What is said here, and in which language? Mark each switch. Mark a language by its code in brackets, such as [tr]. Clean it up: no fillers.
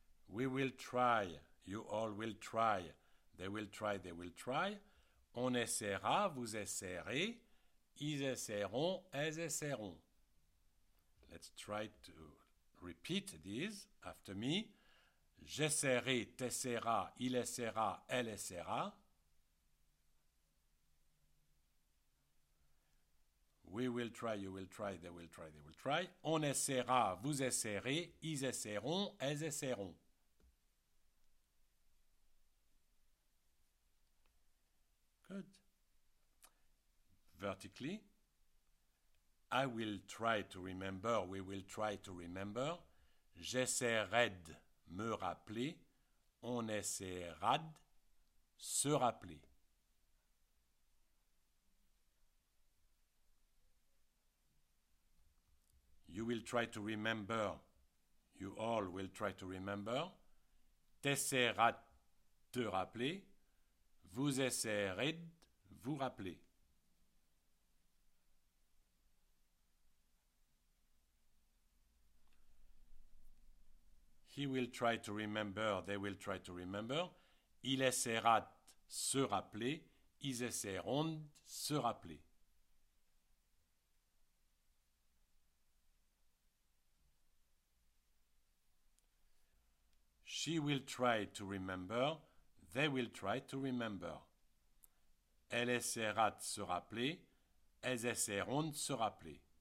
[en] We will try, you all will try, they will try, they will try. [fr] On essaiera, vous essaierez, ils essaieront, elles essaieront. [en] Let's try to repeat these after me. [fr] J'essaierai, t'essaieras, il essaiera, elle essaiera. [en] We will try, you will try, they will try, they will try. [fr] On essaiera, vous essaierez, ils essaieront, elles essaieront. [en] Good. Vertically. I will try to remember, we will try to remember. [fr] J'essaierai de me rappeler, on essaiera de se rappeler. [en] You will try to remember, you all will try to remember. [fr] T'essaieras de te rappeler, vous essaierez de vous rappeler. [en] He will try to remember, they will try to remember. [fr] Il essaiera de se rappeler, ils essaieront de se rappeler. [en] She will try to remember, they will try to remember. [fr] Elle essaiera de se rappeler, elles essaieront de se rappeler.